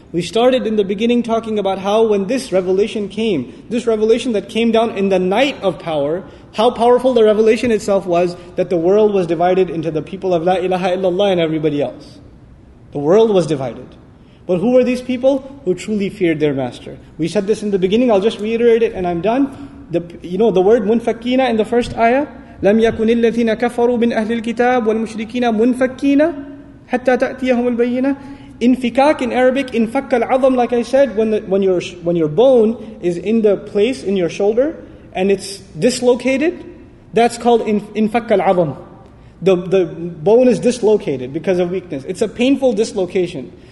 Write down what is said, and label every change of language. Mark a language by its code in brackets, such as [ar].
[en] We started in the beginning talking about how when this revelation came, this revelation that came down in the night of power, how powerful the revelation itself was, that the world was divided into the people of La ilaha illallah and everybody else. The world was divided. But who were these people? Who truly feared their master. We said this in the beginning, I'll just reiterate it and I'm done. The word munfakkina in the first ayah, [ar] لَمْ يَكُنِ الَّذِينَ كَفَرُوا مِنْ أَهْلِ الْكِتَابِ وَالْمُشْرِكِينَ مُنْفَكِّينَ حَتَّى تَأْتِيَهُمُ الْبَيِّنَةِ. [en] Infikak in Arabic, infak al-azam, like I said, when your bone is in the place in your shoulder and it's dislocated, that's called infak al-azam. The bone is dislocated because of weakness. It's a painful dislocation.